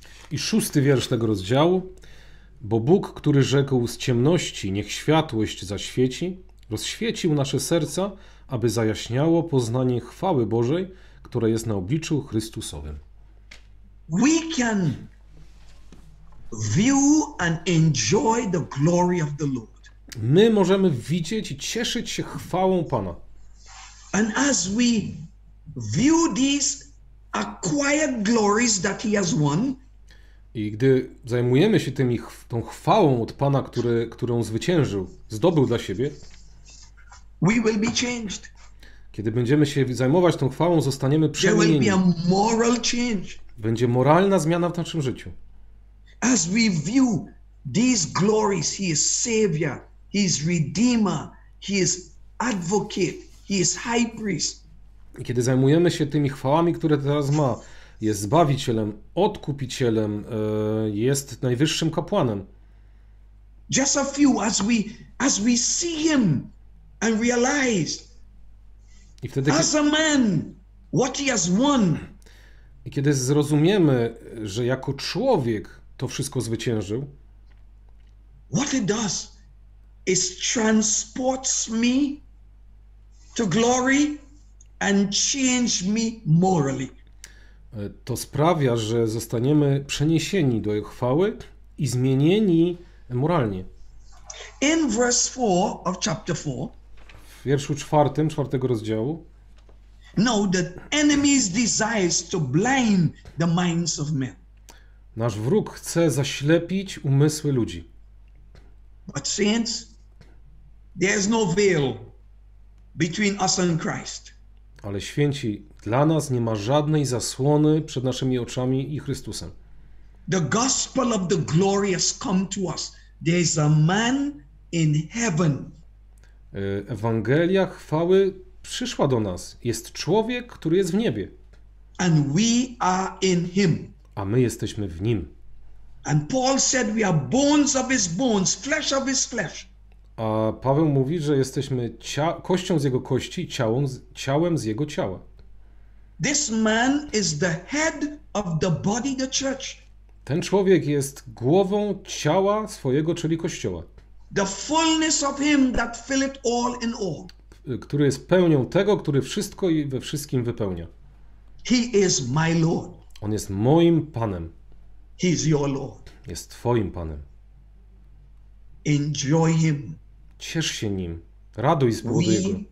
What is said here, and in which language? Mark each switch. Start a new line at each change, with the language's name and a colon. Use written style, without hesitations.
Polish: I szósty wiersz tego rozdziału. Bo Bóg, który rzekł z ciemności, niech światłość zaświeci, rozświecił nasze serca, aby zajaśniało poznanie chwały Bożej, które jest na obliczu Chrystusowym.
English: We can view and enjoy the glory of the Lord.
Polish: My możemy widzieć i cieszyć się chwałą Pana.
English: And as we view these acquired glories that He has won,
Polish: i gdy zajmujemy się tymi, tą chwałą od Pana, którą zwyciężył, zdobył dla siebie,
English: we will be changed.
Polish: Kiedy będziemy się zajmować tą chwałą, zostaniemy przemienieni.
English: There will be a moral change.
Polish: Będzie moralna zmiana w naszym życiu.
English: As we view these glories, He is Savior, He is Redeemer, He is Advocate, He is High Priest.
Polish: I kiedy zajmujemy się tymi chwałami, które teraz ma, jest Zbawicielem, Odkupicielem, jest Najwyższym Kapłanem.
English: Just a few, as we see Him and realize,
Polish: i wtedy,
English: as a man, what He has won.
Polish: I kiedy zrozumiemy, że jako człowiek to wszystko zwyciężył,
English: what it does is transports me to glory and change me morally.
Polish: To sprawia, że zostaniemy przeniesieni do jego chwały i zmienieni moralnie.
English: In verse 4 of chapter 4,
Polish: w wierszu 4, 4 rozdziału.
English: Now the enemy's desires to blind the minds of men.
Polish: Nasz wróg chce zaślepić umysły ludzi.
English: But saints, there is no veil between us and Christ.
Polish: Ale święci, dla nas nie ma żadnej zasłony przed naszymi oczami i Chrystusem.
English: The gospel of the glory has come to us. There is a man in heaven.
Polish: Ewangelia chwały przyszła do nas. Jest człowiek, który jest w niebie.
English: And we are in him.
Polish: A my jesteśmy w nim.
English: And Paul said we are bones of his bones, flesh of his flesh.
Polish: A Paweł mówi, że jesteśmy kością z jego kości, ciałem z jego ciała.
English: This man is the head of the body, the church.
Polish: Ten człowiek jest głową ciała swojego, czyli kościoła.
English: The fullness of him that fill it all in all.
Polish: Który jest pełnią tego, który wszystko i we wszystkim wypełnia.
English: He is my Lord.
Polish: On jest moim Panem.
English: He is your Lord.
Polish: Jest twoim Panem.
English: Enjoy him.
Polish: Ciesz się nim. Raduj z powodu jego.